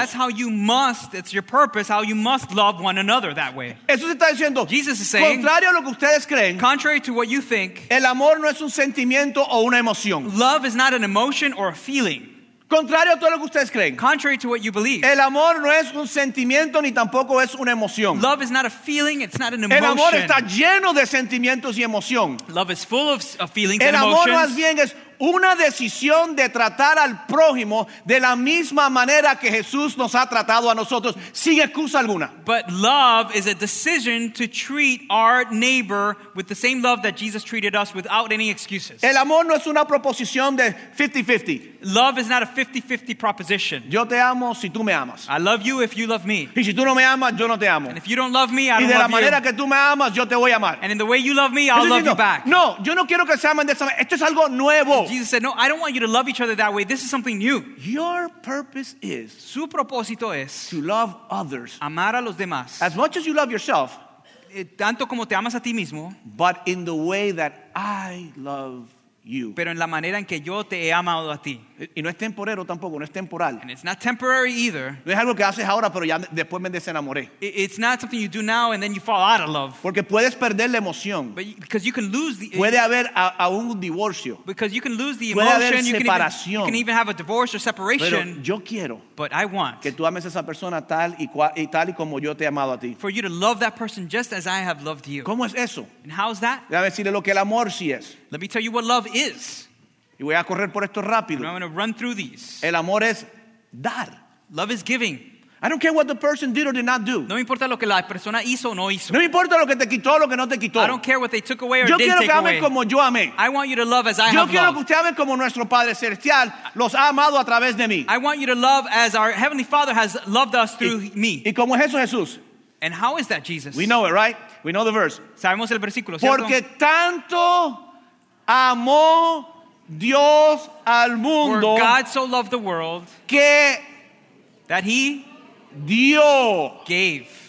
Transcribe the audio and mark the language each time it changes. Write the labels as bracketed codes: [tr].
[en] That's how you must, it's your purpose, how you must love one another that way. [es] Eso se está diciendo. [en] Jesus is saying, [es] contrario a lo que ustedes creen, [en] contrary to what you think, [es] el amor no es un sentimiento o una emoción. [en] Love is not an emotion or a feeling. [es] Contrario a todo lo que ustedes creen. [en] Contrary to what you believe. [es] El amor no es un sentimiento ni tampoco es una emoción. [en] Love is not a feeling, it's not an emotion. [es] El amor está lleno de sentimientos y emoción. [en] Love is full of feelings and emotions. [es] El amor más bien es una decisión de tratar al prójimo de la misma manera que Jesús nos ha tratado a nosotros, sin excusa alguna. [en] But love is a decision to treat our neighbor with the same love that Jesus treated us without any excuses. [es] El amor no es una proposición de 50-50. [en] Love is not a 50-50 proposition. [es] Yo te amo si tú me amas. [en] I love you if you love me. [es] Y si tú no me amas, yo no te amo. [en] And if you don't love me, I don't love you. [es] Y de la manera [en] you. [es] Que tú me amas, yo te voy a amar. [en] And in the way you love me, I'll love you back. [es] No, yo no quiero que se amen de esa manera. Esto es algo nuevo. [en] Jesus said, no, I don't want you to love each other that way. This is something new. Your purpose is, [es] su propósito es, [en] to love others. [es] Amar a los demás. [en] As much as you love yourself. [es] Tanto como te amas a ti mismo. [en] But in the way that I love you. [es] Pero en la manera en que yo te he amado a ti. Y no es temporero tampoco, no es temporal. [en] And it's not temporary either. [es] No es algo que haces ahora, pero ya después me desenamoré. [en] It's not something you do now and then you fall out of love. [es] Porque puedes perder la emoción. [en] But you, because you can lose the. [es] Puede haber a un divorcio. [en] Because you can lose the emotion. [es] Puede haber separación. [en] You can even have a divorce or separation. [es] Pero yo quiero. [en] But I want. [es] Que tú ames a esa persona tal y como yo te he amado a ti. [en] For you to love that person just as I have loved you. [es] ¿Cómo es eso? [en] And how is that? [es] Déjame decirle lo que el amor sí es. [en] Let me tell you what love is. [es] Y voy a correr por esto rápido. [en] I'm going to run through these. [es] El amor es dar. [en] Love is giving. I don't care what the person did or did not do. [es] No me importa lo que la persona hizo o no hizo. No me importa lo que te quitó o lo que no te quitó. [en] I don't care what they took away or [es] yo [en] didn't take away. [es] Como yo amé. [en] I want you to love as I [es] yo [en] have loved. [es] Yo quiero que usted ame como nuestro Padre Celestial los ha amado a través de mí. [en] I want you to love as our Heavenly Father has loved us through me. [es] ¿Y cómo es eso, Jesús? [en] And how is that, Jesus? We know it, right? We know the verse. [es] Sabemos el versículo, ¿cierto? Porque tanto amó Dios al mundo. [en] For God so loved the world. [es] Que [en] that he [es] dio. [en] Gave.